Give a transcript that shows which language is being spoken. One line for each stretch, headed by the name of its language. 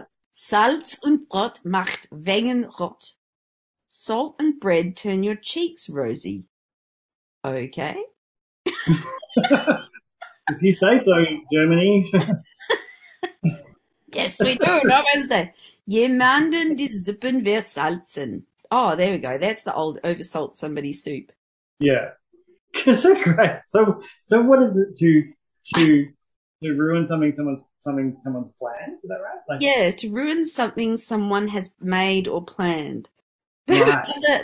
German: Salz und Brot macht Wangen rot.
English: Salt and bread turn your cheeks rosy. Okay. If you say so, Germany. Yes, we do. No Wednesday.
German: Jemanden die Suppen versalzen.
English: Oh, there we go. That's the old oversalt somebody soup. Yeah. So great. So what is it to ruin something someone's planned? Is that right? Like, yeah, to ruin something someone has made or planned. Right.